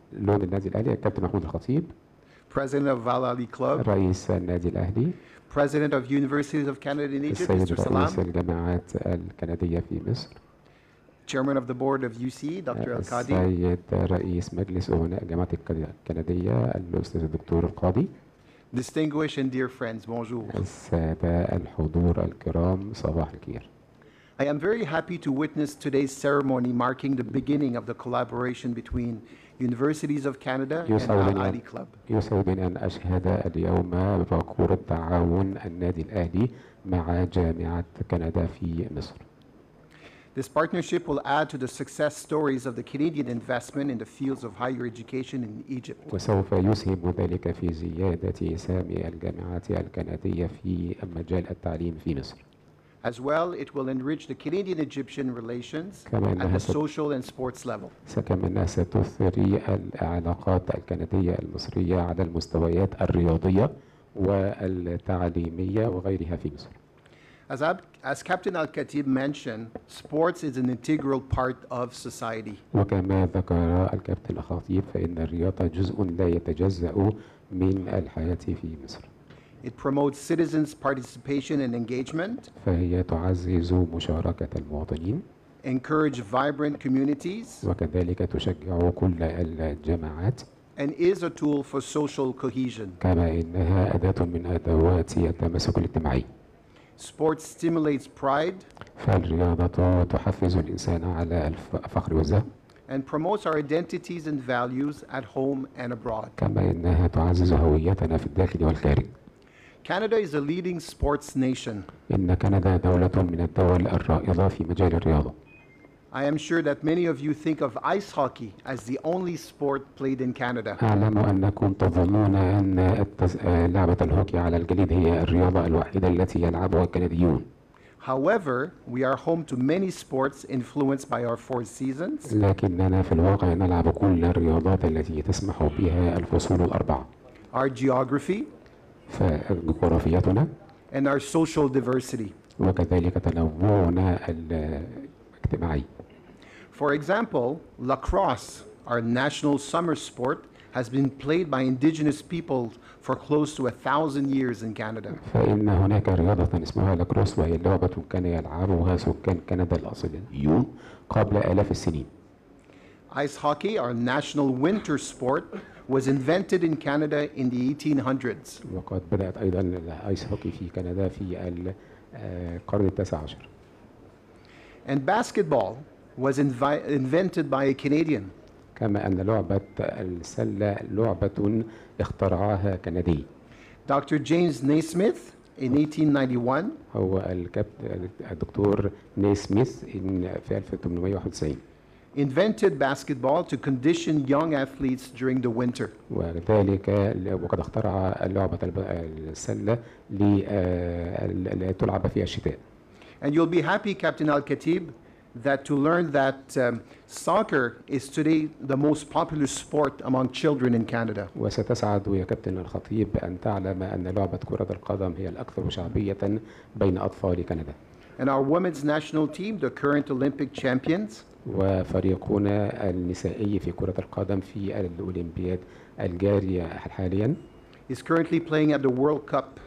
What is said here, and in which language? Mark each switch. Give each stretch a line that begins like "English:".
Arabic: لون النادي الأهلي، كابتن محمود الخطيب،
English: President of Al Ahly Club،
Arabic: رئيس النادي الأهلي،
English: President of Universities of Canada in Egypt،
Arabic: السيد رئيس الجامعات الكندية في مصر،
English: Chairman of the Board of UC، Dr. Al-Qadi،
Arabic: السيد رئيس مجلس أمناء الجامعات الكندية، الأستاذ الدكتور القاضي،
English: Distinguished and dear friends، bonjour،
Arabic: السادة الحضور الكرام، صباح الخير.
English: I am very happy to witness today's ceremony marking the beginning of the collaboration between Universities of Canada and Al Ahly Club.
Arabic: يسعدني أن أشهد اليوم بباكورة تعاون النادي الأهلي مع جامعة كندا في مصر.
English: This partnership will add to the success stories of the Canadian investment in the fields of higher education in Egypt.
Arabic: وسوف يسهم ذلك في زيادة سهم الجامعات الكندية في مجال التعليم في مصر.
English: As well, it will enrich the Canadian-Egyptian relations at the social and sports level.
Arabic: سكمنها ستثري العلاقات الكندية المصرية على المستويات الرياضية والتعليمية وغيرها في مصر.
English: As Captain Al-Khatib mentioned, sports is an integral part of society.
Arabic: وكما ذكر الكابتن الخطيب فإن الرياضة جزء لا يتجزأ من الحياة في مصر.
English: It promotes citizens' participation and engagement.
Arabic: فهي تعزز مشاركة المواطنين.
English: Encourage vibrant communities.
Arabic: وكذلك تشجع كل الجماعات.
English: And is a tool for social cohesion.
Arabic: كما إنها أداة من أدوات التماسك الاجتماعي.
English: Sports stimulates pride.
Arabic: فالرياضة تحفز الإنسان على الفخر والزهو.
English: And promotes our identities and values at home and abroad.
Arabic: كما إنها تعزز هويتنا في الداخل والخارج.
English: Canada is a leading sports nation.
Arabic: إن كندا دولة من الدول الرائدة في مجال الرياضة.
English: I am sure that many of you think of ice hockey as the only sport played in Canada.
Arabic: أعلم أنكم تظنون أن لعبة الهوكي على الجليد هي الرياضة الوحيدة التي يلعبها الكنديون.
English: However, we are home to many sports influenced by our four seasons.
Arabic: لكننا في الواقع نلعب كل الرياضات التي تسمح بها الفصول الأربعة.
English: Our geography.
Arabic: فجغرافيتنا
English: and our social diversity.
Arabic: وكذلك تنوعنا الاجتماعي.
English: For example, lacrosse, our national summer sport, has been played by indigenous people for close to 1,000 years in Canada.
Arabic: فإن هناك رياضة اسمها لاكروس وهي لعبة كان يلعبها سكان كندا الأصليين قبل آلاف السنين.
English: Ice hockey, our national winter sport, was invented in Canada in the 1800s.
Arabic: وقد بدأت أيضا الآيس هوكي في كندا في القرن التاسع عشر.
English: And basketball was invented by a Canadian.
Arabic: كما أن لعبة السلة لعبة اخترعها كندي.
English: Dr. James Naismith in 1891.
Arabic: هو الدكتور نيسميث في 1891.
English: Invented basketball to condition young athletes during the winter.
Arabic: وذلك وقد اخترع لعبة السلة لتلعب في الشتاء.
English: And you'll be happy, Captain Al-Khatib, that to learn that soccer is today the most popular sport among children in Canada.
Arabic: وستسعد يا كابتن الخطيب أن تعلم أن لعبة كرة القدم هي الأكثر شعبية بين أطفال كندا.
English: And our women's national team, the current Olympic champions.
Arabic: وفريقنا النسائي في كرة القدم في الأولمبياد الجارية حاليا.
English: Is currently playing at the World Cup.